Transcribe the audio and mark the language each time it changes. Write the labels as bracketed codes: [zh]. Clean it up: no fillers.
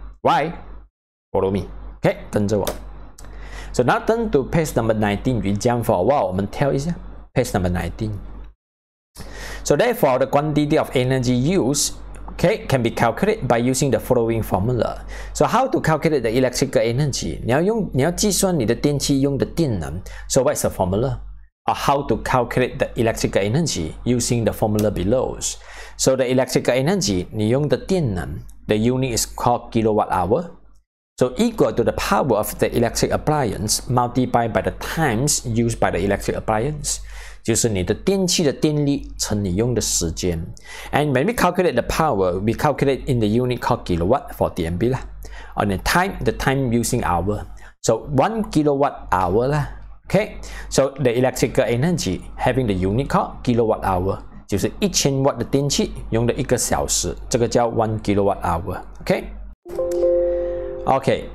[en] Why? Follow me. Okay, [zh] 跟着我. [en] So now turn to page number 19. We jump for a while. [zh] 我们跳一下. [en] Page number 19. So therefore, the quantity of energy used Okay, can be calculated by using the following formula. So how to calculate the electrical energy? [zh] 你要计算你的电器用的电能. [en] So what's the formula? Or how to calculate the electrical energy using the formula below. So the electrical energy, [zh] 你用的电能, [en] the unit is called kilowatt hour. So equal to the power of the electric appliance multiplied by the times used by the electric appliance. [zh] 就是你的电器的电力乘你用的时间。 [en] And when we calculate the power, we calculate in the unit called kilowatt for dB. On the time using hour. So 1 kilowatt hour. Okay. So the electrical energy having the unit called kilowatt hour. [zh] 就是1000 watt 的电器用了一个小时。这个叫 1 kilowatt hour. Okay. Okay.